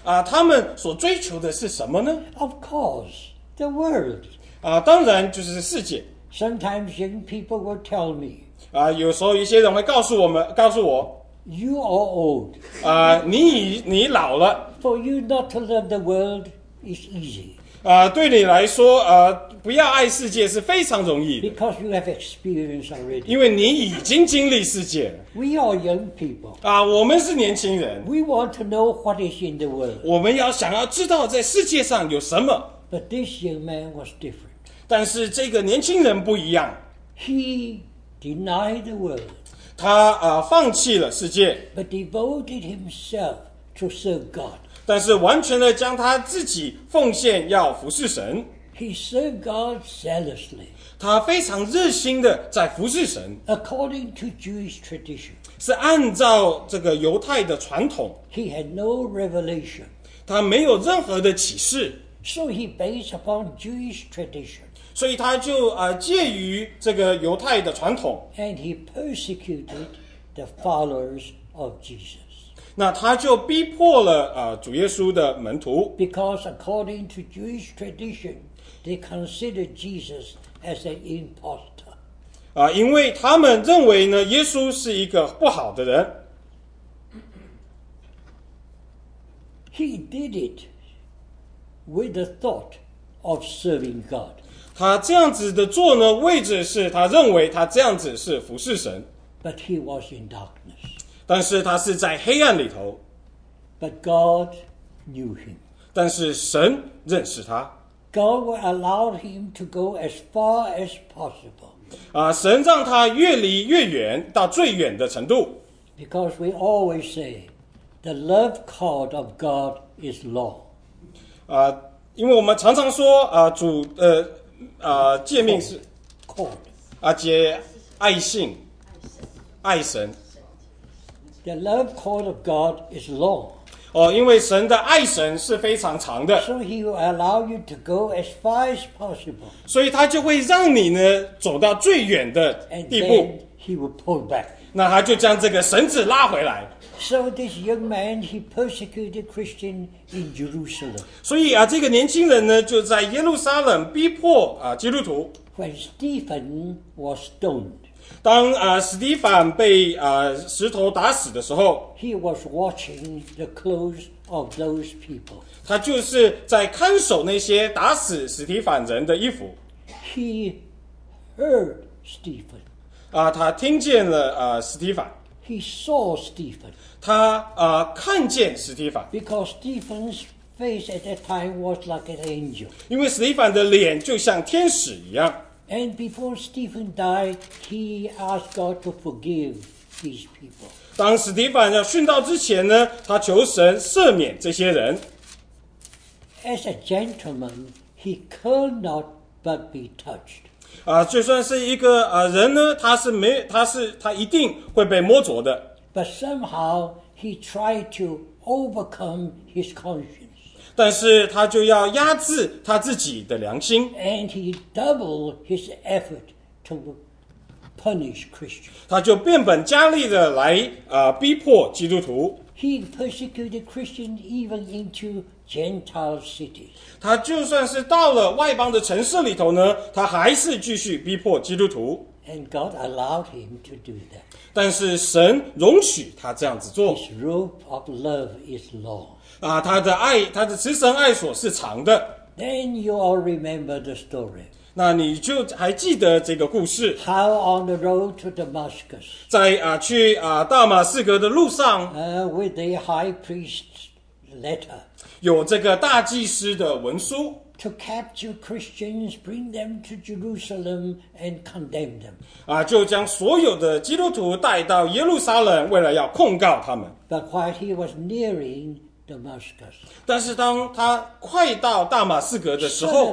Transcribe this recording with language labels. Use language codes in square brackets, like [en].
[zh] 他们所追求的是什么呢？ [en] Of course, the world. [zh] 当然就是世界。 [en] Sometimes young people will tell me. [zh] 有时候一些人会告诉我。 [en] You are old. [zh] 你老了。 [en] For you not to love the world is easy. [zh] 对你来说不要爱世界是非常容易的。 [en] Because you have experience already. [zh] 因为你已经经历世界了。 [en] We are young people. [zh] 我们是年轻人。 [en] We want to know what is in the world. [zh] 我们要想要知道在世界上有什么。 [en] But this young man was different. [zh] 但是这个年轻人不一样。 [en] He denied the world. [zh] 他放弃了世界。 [en] But devoted himself to serve God. [zh] 但是完全的将他自己奉献要服侍神。 [en] He served God zealously. [zh] 他非常热心的在服侍神。 [en] According to Jewish tradition. [zh] 是按照这个犹太的传统。 [en] He had no revelation. [zh] 他没有任何的启示。 [en] So he based upon Jewish tradition. [zh] 所以他就介于这个犹太的传统。 [en] And he persecuted the followers of Jesus. [zh] 那他就逼迫了主耶稣的门徒。 [en] Because according to Jewish tradition, they considered Jesus as an impostor. [zh] 因为他们认为呢，耶稣是一个不好的人。 [en] He did it with the thought of serving God. [zh] 他这样子的做呢，为的是他认为他这样子是服侍神。 [en] But he was in darkness. [zh] 但是他是在黑暗里头。 [en] But God knew him. [zh] 但是神认识他。 [en] God will allow him to go as far as possible. [zh] 神让他越离越远，到最远的程度。 [en] Because we always say, the love cord of God is long. [zh] 因为我们常常说，主诫命是 [en] cord. [zh] 接爱信，爱神。 [en] The love cord of God is long. [zh] 因为神的爱绳是非常长的。 [en] So he will allow you to go as far as possible. [zh] 所以他就会让你呢走到最远的地步。 [en] And then he will pull back. [zh] 那他就将这个绳子拉回来。 [en] So this young man, he persecuted Christians in Jerusalem. [zh] 所以这个年轻人呢就在耶路撒冷逼迫基督徒。 [en] When Stephen was stoned. [zh] 当史蒂凡被石头打死的时候 [en] ，He was watching the clothes of those people. [zh] 他就是在看守那些打死史蒂凡人的衣服。 [en] He heard Stephen. [zh] 他听见了史蒂凡。 [en] h He saw Stephen. [zh] 他看见史提凡。 [en] Because Stephen's face at that time was like an angel. [zh] 因为史提凡的脸就像天使一样。 [en] And before Stephen died, he asked God to forgive these people. [zh] 当史提凡要殉道之前呢，他求神赦免这些人。 [en] As a gentleman, he could not but be touched. [zh] 就算是一个人呢，他一定会被摸着的。 [en] But somehow he tried to overcome his conscience. [zh] 但是他就要压制他自己的良心。 [en] And he doubled his effort to punish Christians. [zh] 他就变本加厉的来逼迫基督徒。 [en] He persecuted Christians even into Gentile cities. [zh] 他就算是到了外邦的城市里头呢，他还是继续逼迫基督徒。 [en] And God allowed him to do that. [zh] 但是神容许他这样子做。 [en] His rope of love is long. [zh] 他的爱，他的慈神爱索是长的。 [en] Then you all remember the story. [zh] 那你就还记得这个故事。 [en] How on the road to Damascus. [zh] 在去大马士革的路上。 [en] With the high priest's letter. [zh] 有这个大祭司的文书 [en] ，to capture Christians, bring them to Jerusalem and condemn them. [zh] 就将所有的基督徒带到耶路撒冷，为了要控告他们。 [en] But while he was nearing Damascus, [zh] 但是当他快到大马士革的时候